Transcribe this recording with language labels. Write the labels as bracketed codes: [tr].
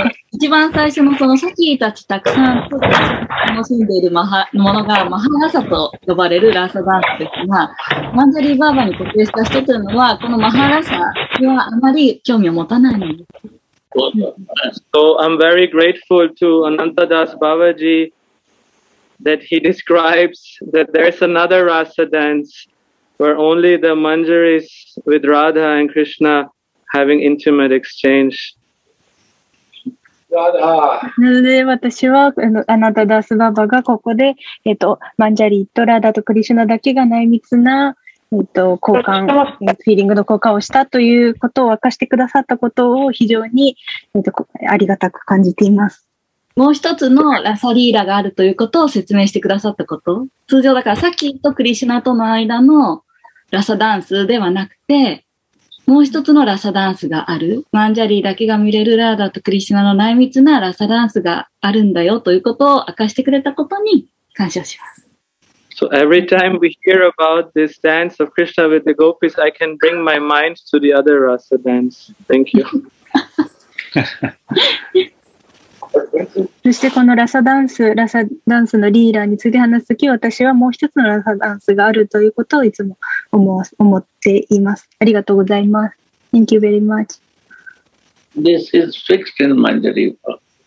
[ja] 一番最初のそのサキーたちたくさん楽しんでいるマハものがマハラサと呼ばれるラサダンスですが、マンジャリーバーバに固定した人というのは、このマハラサにはあまり興味を持たないのです。 [en] So I'm very grateful to Ananta Das Babaji that he describes that there's another Rasa dance where only the Manjaris with Radha and Krishna having intimate exchange. [ja] なので私はアナタダスババがここで、マンジャリとラダとクリシュナだけが内密な、交換フィーリングの交換をしたということを明かしてくださったことを非常に、ありがたく感じています。もう一つのラサリーラがあるということを説明してくださったこと、通常だからさっきとクリシュナとの間のラサダンスではなくて、もう一つのラサダンスがある、マンジャリーだけが見れるラーダとクリシナの内密なラサダンスがあるんだよということを明かしてくれたことに感謝します。 [en] So every time we hear about this dance of Krishna with the gopis, I can bring my mind to the other Rasa dance. Thank you. [ja] そしてこのラサダンスのリーラーについて話すとき、私はもう一つのラサダンスがあるということをいつも思っています。ありがとうございます。 [en] Thank you very much. This is fixed in Manjari Baba.